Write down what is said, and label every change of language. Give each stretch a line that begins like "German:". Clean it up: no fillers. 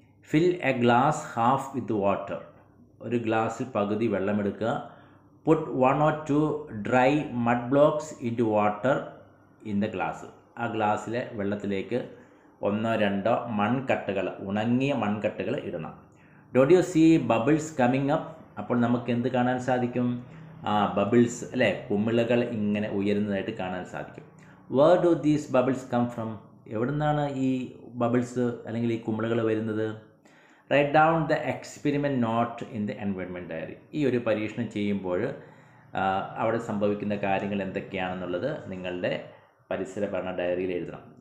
English: Fill a glass half with water.
Malayalam: ഒരു ഗ്ലാസ്സിൽ പകുതി വെള്ളമെടുക്കുക.
English: Put 1 or 2 dry mud blocks into water in the glass.
Malayalam: ആ ഗ്ലാസ്സിലെ വെള്ളത്തിലേക്ക്
English: 1 or 2
Malayalam: മൺകട്ടകൾ, ഉണങ്ങിയ മൺകട്ടകൾ ഇടണം.
English: Don't you see bubbles coming up?
Malayalam: അപ്പോൾ നമുക്ക് എന്ത് കാണാൻ സാധിക്കും? ആ ബബിൾസ് അല്ലേ, കുമിളകൾ ഇങ്ങനെ ഉയരുന്നതായിട്ട് കാണാൻ സാധിക്കും.
English: Where do these bubbles come from?
Malayalam: എവിടെ നിന്നാണ് ഈ ബബിൾസ് അല്ലെങ്കിൽ ഈ കുമിളകൾ വരുന്നത്?
English: Write down the experiment note in the environment diary.
Malayalam: ഈ ഒരു പരീക്ഷണം ചെയ്യുമ്പോൾ അവിടെ സംഭവിക്കുന്ന കാര്യങ്ങൾ എന്തൊക്കെയാണെന്നുള്ളത് നിങ്ങളുടെ പരിസര പഠന ഡയറിയിൽ എഴുതണം.